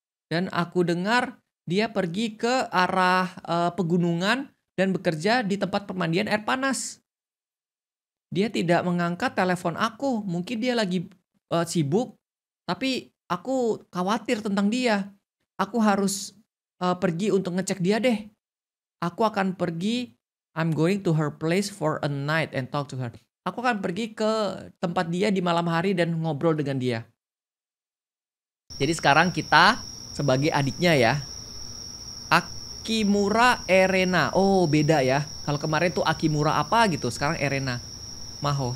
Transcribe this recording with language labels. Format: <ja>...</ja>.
<id>Dan aku dengar dia pergi ke arah pegunungan dan bekerja di tempat pemandian air panas. Dia tidak mengangkat telepon aku. Mungkin dia lagi sibuk, tapi aku khawatir tentang dia. Aku harus pergi untuk ngecek dia deh. Aku akan pergi.</id> <en>I'm going to her place for a night and talk to her.</en> <id>Aku akan pergi ke tempat dia di malam hari dan ngobrol dengan dia. Jadi sekarang kita sebagai adiknya ya. Akimura Erena. Oh, beda ya. Kalau kemarin tuh Akimura apa gitu, sekarang Erena. Maho.</id>